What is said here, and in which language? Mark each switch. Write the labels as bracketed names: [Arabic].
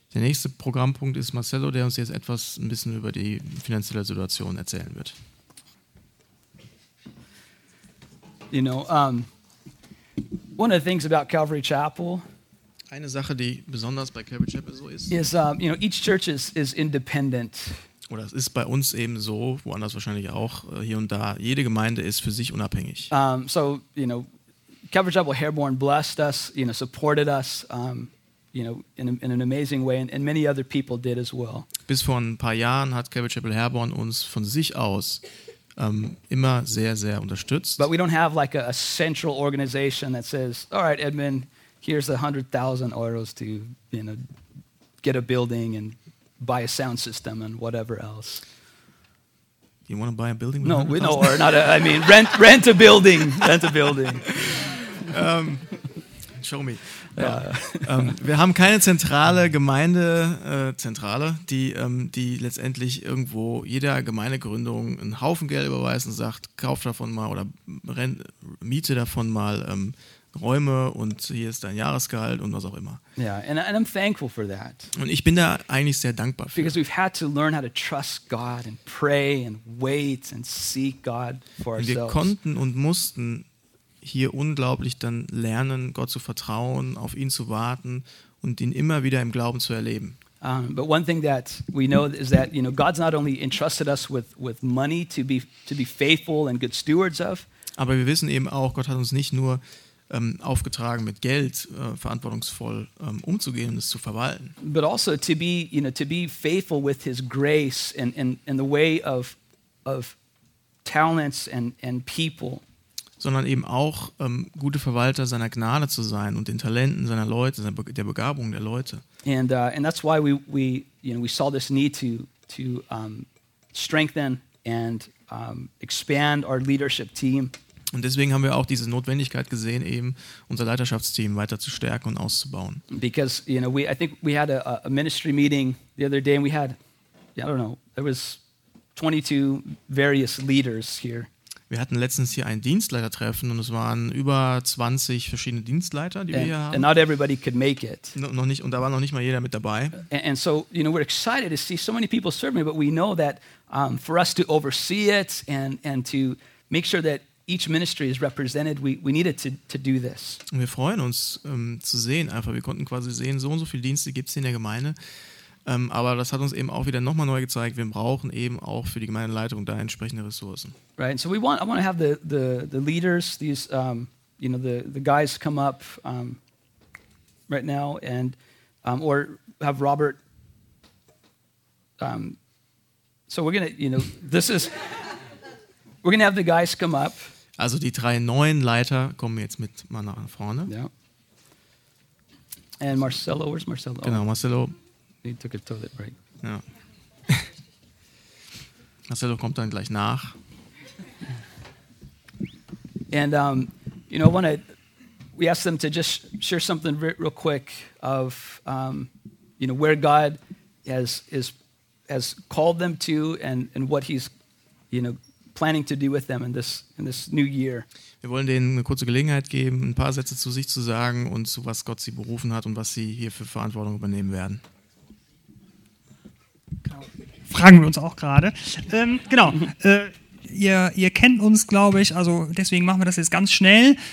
[German] Der nächste Programmpunkt ist Marcelo, der uns jetzt etwas ein bisschen über die finanzielle Situation erzählen wird. [English] You know, one of the things about Calvary Chapel. [German] Eine Sache, die besonders bei Calvary Chapel so ist. [English] Is you know, each church is independent. [German] Oder es ist bei uns eben so, woanders wahrscheinlich auch hier und da. Jede Gemeinde ist für sich unabhängig. [English] So you know. Calvary Chapel Herborn blessed us, you know, supported us, you know, in an amazing way, and many other people did as well. [German] Bis vor ein paar Jahren hat Calvary Chapel Herborn uns von sich aus immer sehr, sehr unterstützt. [English] But we don't have like a central organization that says, all right, Edmund, here's 100,000 euros to, you know, get a building and buy a sound system and whatever else. You want to buy a building? No, we know, or not. I mean, rent a building, rent a building. Show me. Ja. [German] Wir haben keine zentrale Gemeindezentrale, die letztendlich irgendwo jeder Gemeindegründung einen Haufen Geld überweist und sagt, kauf davon mal oder miete davon mal Räume und hier ist dein Jahresgehalt und was auch immer. [English] Ja, and I'm thankful for that. [German] Und ich bin da eigentlich sehr dankbar für. [English] Because we've had to learn how to trust God and pray and wait and seek God for ourselves. [German] Wir konnten und mussten hier unglaublich dann lernen, Gott zu vertrauen, auf ihn zu warten und ihn immer wieder im Glauben zu erleben. [English] But one thing that we know is that, you know, God's not only entrusted us with money to be faithful and good stewards of. [German] Aber wir wissen eben auch, Gott hat uns nicht nur aufgetragen, mit Geld verantwortungsvoll umzugehen, es zu verwalten. [English] But also to be, you know, to be faithful with His grace in the way of talents and people. [German] Sondern eben auch gute Verwalter seiner Gnade zu sein und den Talenten seiner Leute, der Begabung der Leute. [English] And that's why we you know, we saw this need to strengthen and expand our leadership team. [German] Und deswegen haben wir auch diese Notwendigkeit gesehen, eben unser Leiterschaftsteam weiter zu stärken und auszubauen. [English] Because, you know, I think we had a ministry meeting the other day and we had, I don't know, there was 22 various leaders here. [German] Wir hatten letztens hier ein Dienstleitertreffen und es waren über 20 verschiedene Dienstleiter, die wir hier haben. [English] And not everybody could make it. [German] Und da war noch nicht mal jeder mit dabei. [English] And so, you know, we're excited to see so many people serving, but we know that for us to oversee it and to make sure that each ministry is represented, we needed to do this. [German] Und wir freuen uns zu sehen, einfach wir konnten quasi sehen, so und so viele Dienste gibt es in der Gemeinde. Aber das hat uns eben auch wieder nochmal neu gezeigt, wir brauchen eben auch für die Gemeindeleitung da entsprechende Ressourcen. [English] Right, and so I want to have the leaders, these, you know, the guys come up right now and, or have Robert, so we're going to, you know, this is, we're going to have the guys come up. [German] Also die drei neuen Leiter kommen jetzt mit mal nach vorne. [English] Yeah. And Marcelo, where's Marcelo? [German] Genau, Marcelo. [English] He took a toilet break. [German] Ja. Marcelo kommt dann gleich nach. [English] And you know, we asked them to just share something real quick of you know, where God has called them to and what He's, you know, planning to do with them in this new year. [German] Wir wollen denen eine kurze Gelegenheit geben, ein paar Sätze zu sich zu sagen und zu was Gott sie berufen hat und was sie hier für Verantwortung übernehmen werden. Fragen wir uns auch gerade. Genau. Ihr kennt uns, glaube ich, also deswegen machen wir das jetzt ganz schnell.